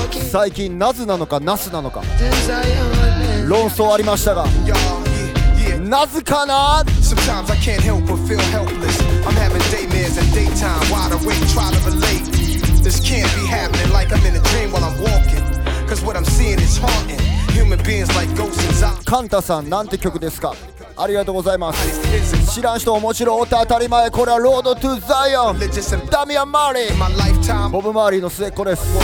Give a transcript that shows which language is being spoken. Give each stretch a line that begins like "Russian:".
Japanese: 最近ナズなのかナスなのか論争ありましたが、ナズかな。
English: Sometimes I can't help but feel helpless. I'm having daymares and daytime, wide awake, try to relate. This can't be happening like I'm in a dream while I'm walking. Cause what I'm seeing is haunting. Human beings like ghosts and zombies.
Japanese: カンタさん、なんて曲ですか。ありがとうございます。知らん人ももちろんおった当たり前。これはロードトゥザイオン、ダミアン・マーリー、ボブ・マーリーの末っ子です。